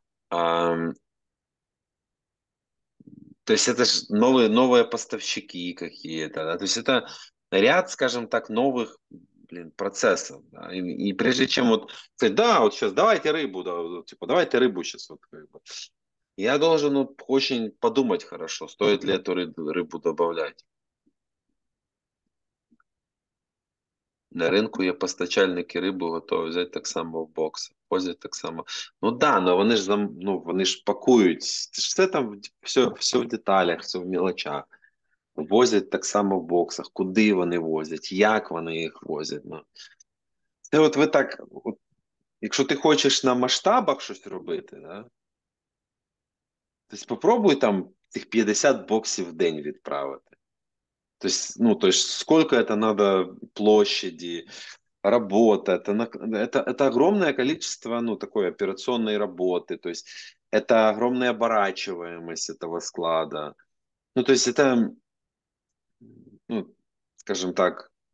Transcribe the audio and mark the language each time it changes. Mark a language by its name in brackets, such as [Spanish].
[Russian] То есть это же новые поставщики какие-то, да? То есть это ряд, скажем так, новых, блин, процессов. Да? И прежде чем вот сказать, да, вот сейчас давайте рыбу, да, вот, типа давайте рыбу сейчас вот рыбу. Я должен, ну, очень подумать хорошо, стоит ли эту рыбу добавлять. [Ukrainian] На рынку є постачальники риби, готові взяти так само в бокс. Возять так само. Ну да, но вони ж зам... ну, вони ж пакують. [Russian] Все там, все в деталях, все в мелочах. [Ukrainian] Возять так само в боксах. Куди вони возять, як вони їх возять. Ну. Це от ви так, от, якщо ти хочеш на масштабах щось робити, да? Тобто спробуй там цих 50 боксів в день відправити. [Russian] То есть сколько это надо площади, работы, это огромное количество, такой операционной работы, то есть это огромная оборачиваемость этого склада. Ну, то есть это, скажем так.